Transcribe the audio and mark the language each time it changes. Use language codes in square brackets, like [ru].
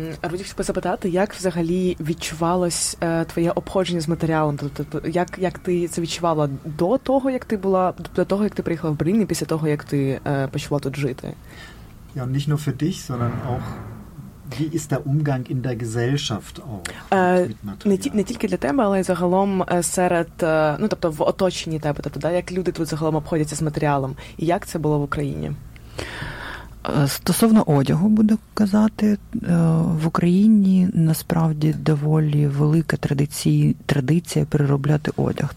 [uk] Хотів тебе запитати, як взагалі відчувалось твоє обходження з матеріалом? Тобто, як ти це відчувала до того, як ти була, до того, як ти приїхала в Берлін, і після того, як ти почала тут жити? [de] Ja, nicht nur für dich, sondern auch wie ist der Umgang in der Gesellschaft auch mit Material? [uk] Не тільки для тебе, але й загалом серед, ну, тобто в оточенні тебе, тобто, да, як люди тут загалом обходяться з матеріалом, і як це було в Україні? Стосовно одягу, буду казати, в Україні насправді доволі велика традиція переробляти одяг.